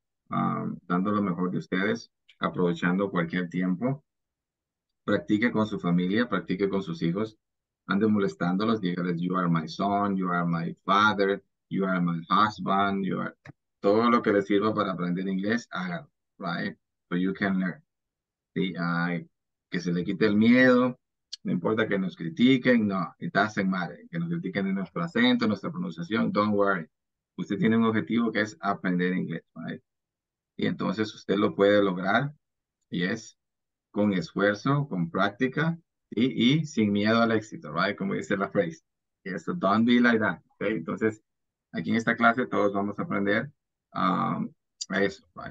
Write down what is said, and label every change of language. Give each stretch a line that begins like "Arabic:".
Spanish: Dando lo mejor de ustedes, aprovechando cualquier tiempo. Practique con su familia, practique con sus hijos. Ande molestándolos, dígales,
English: you are my son, you are my father, you are my husband, you are...
Spanish: Todo lo que les sirva para aprender inglés, hágalo, right?
English: So you can learn.
Spanish: ¿Sí? Que se le quite el miedo, no importa que nos critiquen, no,
English: it doesn't matter.
Spanish: Que nos critiquen en nuestro acento, nuestra pronunciación,
English: don't worry.
Spanish: Usted tiene un objetivo que es aprender inglés, right? Y entonces usted lo puede lograr, yes, con esfuerzo, con práctica, y sin miedo al éxito, right? Como dice la frase,
English: yes, so don't be like that, okay?
Spanish: Entonces, aquí en esta clase todos vamos a aprender a eso, right?